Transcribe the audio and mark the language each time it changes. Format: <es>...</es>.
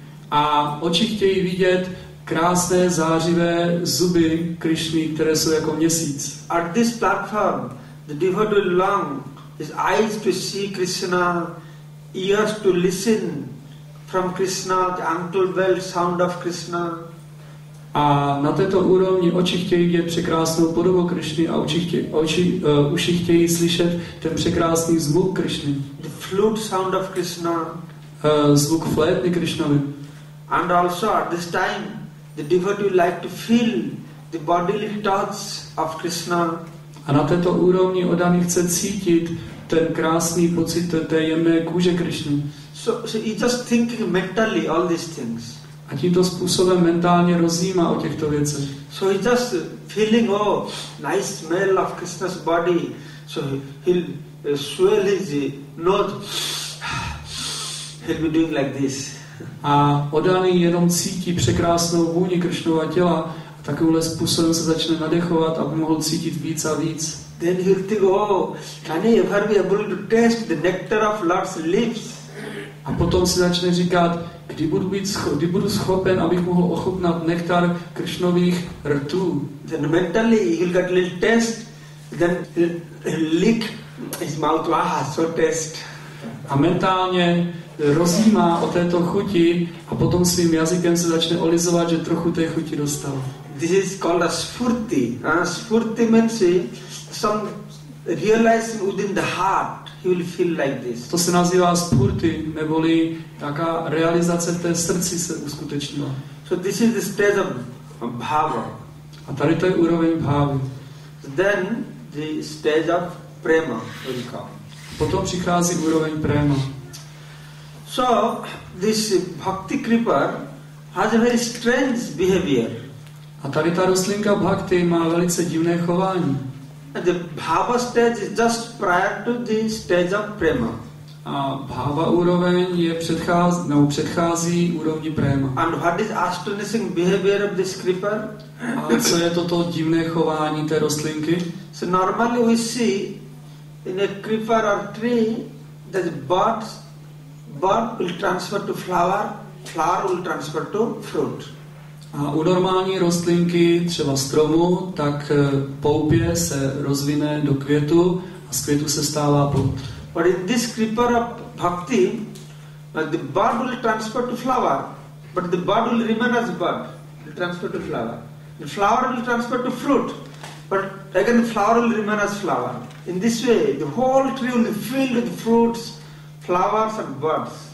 <cs>A oči chtějí vidět krásné zářivé zuby Krišny, které jsou jako měsíc.</cs> <en>At this platform, the devotee will long his eyes to see Krishna, ears to listen from Krishna, the untold bell sound of Krishna.</en> <cs>A na této úrovni oči chtějí vidět překrásnou podobu Krišny a uši chtějí slyšet ten překrásný zvuk Krišny.</cs> <en>The flute sound of Krishna.</en> <cs>Zvuk flétny Krišnovy.</cs> <en>And also at this time, the devotee would like to feel the bodily touch of Krishna.</en> <cs>A na této úrovni odaný chce cítit ten krásný pocit té jemné kůže Krišny.</cs> <en>So he's just thinking mentally all these things.</en> <cs>A tímto způsobem mentálně rozjímá o těchto věcech.</cs> <en>So he's just feeling, oh, nice smell of Krishna's body. So he'll swell his nose. He'll be doing like this.</en> <cs>A odaný jenom cítí překrásnou vůni Krišnova těla a takovýmhle způsobem se začne nadechovat, aby mohl cítit víc a víc.</cs> <en>Then he'll think, oh, can I ever be able to taste the nectar of Lord's lips?</en> <cs>A potom si začne říkat, kdy budu schopen, abych mohl ochutnat nektar Krišnových rtů.</cs> <en>Then mentally he'll get a little taste, then he'll lick his mouth, so taste.</en> <cs>A mentálně rozjímá o této chuti a potom svým jazykem se začne olizovat, že trochu té chuti dostal.</cs> <en>This is called a spurti. Spurti means some realizing within the heart. He will feel like this.</en> <cs>To se nazývá spurti, neboli taká realizace v té srdci se uskutečnila.</cs> <en>So this is the stage of bhava.</en> <cs>A tady to je úroveň bhavy.</cs> <en>Then the stage of prema will come.</en> <cs>Potom přichází úroveň prema.</cs> <en>So this bhakti creeper has a very strange behavior.</en> <cs>A tady ta rostlinka bhakti má velice divné chování.</cs> <en>And the bhava stage is just prior to the stage of prema.</en> <cs>A bhava úroveň je předchází úrovni prema.</cs> <en>And what is astonishing behavior of this creeper?</en> <cs>A co je toto divné chování té rostlinky?</cs> <en>So normally we see in a creeper or tree that the bud will transfer to flower, flower will transfer to fruit.</en> <cs>A u normální rostlinky, třeba stromu, tak poupě se rozvine do květu a z květu se stává plod.</cs> <en>But in this creeper of bhakti, the bud will transfer to flower, but the bud will remain as bud, will transfer to flower. The flower will transfer to fruit, But again, flower will remain as flower. In this way, the whole tree will be filled with fruits, flowers and buds.</en>